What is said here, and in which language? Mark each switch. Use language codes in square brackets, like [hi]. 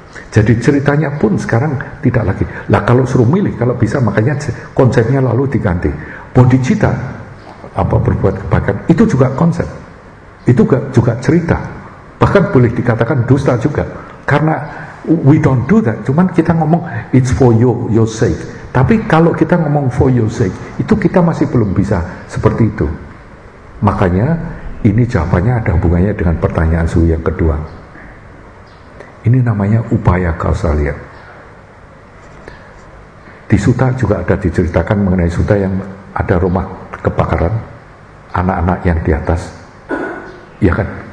[id] Jadi ceritanya pun sekarang tidak lagi. Lah kalau suruh milih, kalau bisa makanya konsepnya lalu diganti. Bodhicitta, apa berbuat kebaikan, itu juga konsep. Itu juga cerita. Bahkan boleh dikatakan dusta juga. Karena [en] we don't do that. [id] Cuman kita ngomong [en] it's for your sake. [id] Tapi kalau kita ngomong [en] for your sake, [id] itu kita masih belum bisa seperti itu. Makanya ini jawabannya ada hubungannya dengan pertanyaan suhu yang kedua. Ini namanya upaya kausalia. Di Sutta juga ada diceritakan mengenai Sutta yang ada rumah kebakaran, anak-anak yang di atas. Ya kan?